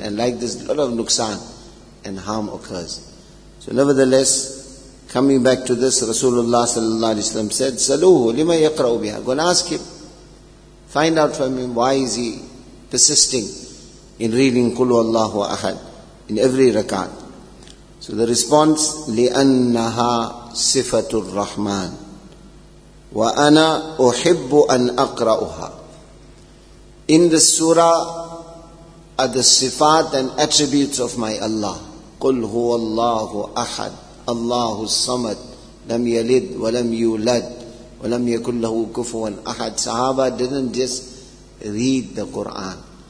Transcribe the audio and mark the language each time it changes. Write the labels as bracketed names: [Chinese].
[English] And like this, a lot of nuksan and harm occurs. So nevertheless, coming back to this, Rasulullah sallallahu alaihi wasallam said, [Arabic] "Saluhu lima yaqra'u biha." [English] Go and ask him. Find out from him why is he persisting in reading Qul Huwallahu Ahad. in every rakat. So the response, [Arabic] لِأَنَّهَا صِفَةُ الرَّحْمَانِ وَأَنَا أُحِبُّ أَنْ أَقْرَأُهَا. [English] In the surah are the sifat and attributes of my Allah. [Arabic] قُلْ هُوَ اللَّهُ أَحَدٌ اللَّهُ الصَّمَدُ لَمْ يَلِدْ وَلَمْ يُولَدْ وَلَمْ يَكُنْ لَهُ كُفُوًا أَحَدٌ. [English] Sahaba didn't just read the Qur'an.